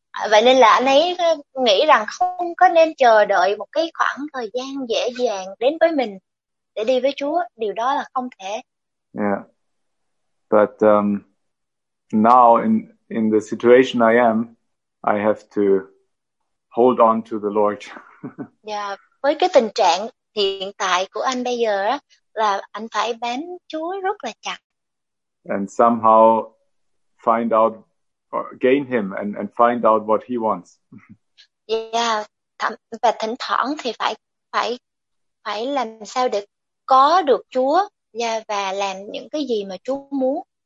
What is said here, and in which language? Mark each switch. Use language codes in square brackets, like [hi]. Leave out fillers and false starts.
[vi] Vậy nên là anh ấy nghĩ rằng không có nên chờ đợi một cái khoảng thời gian dễ dàng đến với mình để đi với Chúa. Điều đó là không thể. [en] But now in the situation I am, I have to hold on to the Lord. [vi] Với cái tình trạng hiện tại của anh bây giờ á, là anh phải bám Chúa rất là chặt. [en] And somehow find out or gain him and find out what he wants. [vi] Và thỉnh thoảng thì phải phải phải làm sao để có được Chúa, và làm những cái gì mà Chúa muốn.